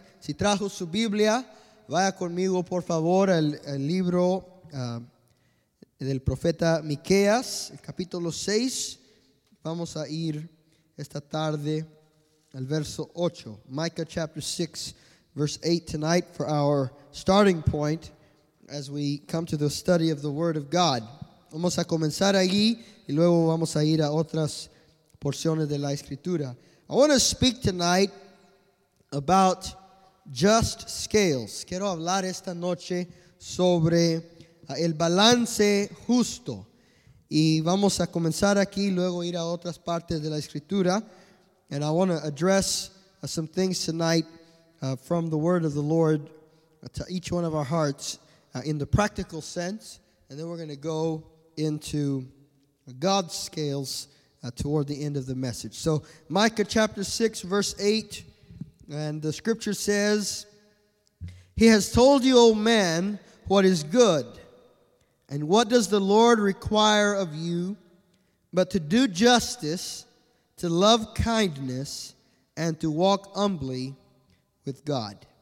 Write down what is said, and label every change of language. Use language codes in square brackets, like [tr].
[es] Si trajo su Biblia, vaya conmigo por favor al libro del profeta Miqueas, el capítulo 6. Vamos a ir esta tarde al verso 8. [en] Micah chapter 6, verse 8 tonight for our starting point as we come to the study of the Word of God. [es] Vamos a comenzar allí y luego vamos a ir a otras porciones de la Escritura. [en] I want to speak tonight about just scales. [es] Quiero hablar esta noche sobre el balance justo. Y vamos a comenzar aquí, luego ir a otras partes de la Escritura. [en] And I want to address some things tonight from the Word of the Lord to each one of our hearts in the practical sense. And then we're going to go into God's scales toward the end of the message. So Micah chapter 6, verse 8, and the scripture says, "He has told you, O man, what is good, and what does the Lord require of you but to do justice, to love kindness, and to walk humbly with God."